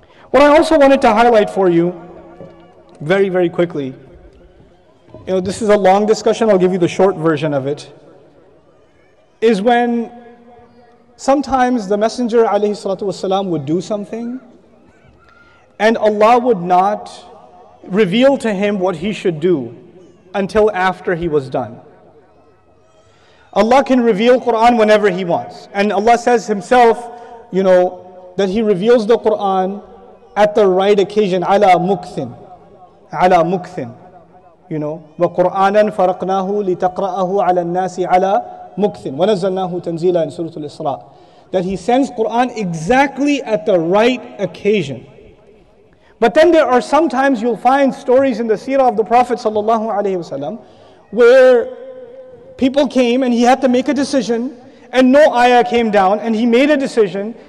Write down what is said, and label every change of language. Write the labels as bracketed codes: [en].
[en] What I also wanted to highlight for you, very, very quickly, you know, this is a long discussion, I'll give you the short version of it, is when sometimes the Messenger alayhi salatu wasalam would do something and Allah would not reveal to him what he should do until after he was done. Allah can reveal Quran whenever he wants. And Allah says himself, you know, that he reveals the Quran at the right occasion. [ar] Ala mukthin. Ala mukthin. [en] You know, [ar] وَقُرْآنًا فَرَقْنَاهُ لِتَقْرَأَهُ عَلَى النَّاسِ عَلَى مُكْثٍ وَنَزَّلْنَاهُ تَنْزِيلًا [en] in Surah Al-Isra. That he sends Quran exactly at the right occasion. But then there are sometimes you'll find stories in the seerah of the Prophet sallallahu alayhi wasallam where people came and he had to make a decision and no ayah came down and he made a decision.